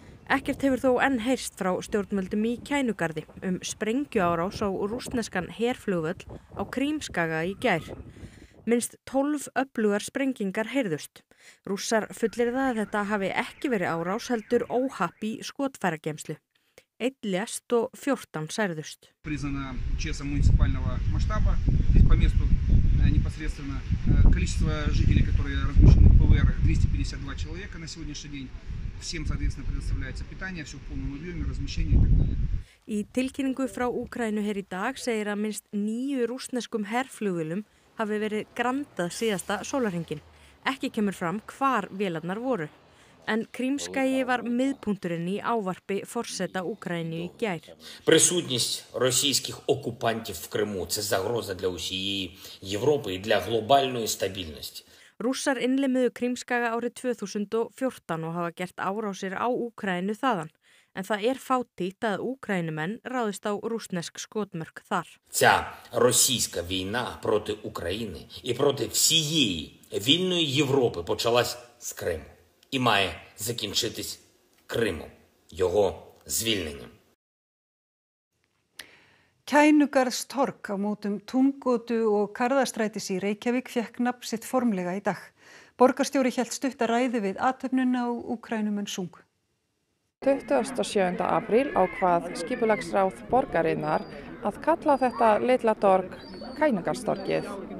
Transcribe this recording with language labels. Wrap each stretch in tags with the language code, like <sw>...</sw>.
<is>Ekkert hefur þó enn heyrst frá stjórnvöldum í Kænugarði sprengjuárás á rússneskan herflugvöll á Krímskaga í gær. Minnst 12 öflugar sprengingar heyrðust. Rússar fullyrða að þetta hafi ekki verið árás heldur óhapp í skotfæragemslu. Einn lést og 14 særðust.</is> <ru>Признана честь муниципального масштаба. Здесь по месту непосредственно количество жителей, которые размещены в ПВР, 252 человека на сегодняшний день. Всем, соответственно, предоставляется питание, все в полном объеме, размещение и так далее.</ru> <is>Í tilkynningu frá Úkraínu hér í dag segir að minnst 9 rússneskum herflugvélum hafi verið grandað síðasta sólarhringin. Ekki kemur fram hvar vélarnar voru. En Krímskagi var miðpunkturinn í ávarpi forseta Úkraínu í gær.</is> <uk>Присутність російських окупантів в Криму це загроза для усієї Європи і для глобальної стабільності.</uk> <is>Rússar innlimuðu Krímskaga árið 2014 og hafa gert árásir á Úkraínu þaðan. En það fátítt að Úkraínumenn ráðist á rússnesk skotmörk þar.</is> <uk>Ця російська війна проти України і проти всієї вільної Європи почалась з Криму. І має закінчитись Кримом, його звільненням.</uk> <is>Kænugarðstorg á mótum Túngötu og Karðastrætis í Reykjavík fékk nafn sitt formlega í dag. Borgarstjóri hélt stutta ræðu við athöfnuna og Úkraínumenn sung. 27. apríl ákvað skipulagsráð borgarinnar að kalla þetta litla torg Kænugarðstorgið.</is>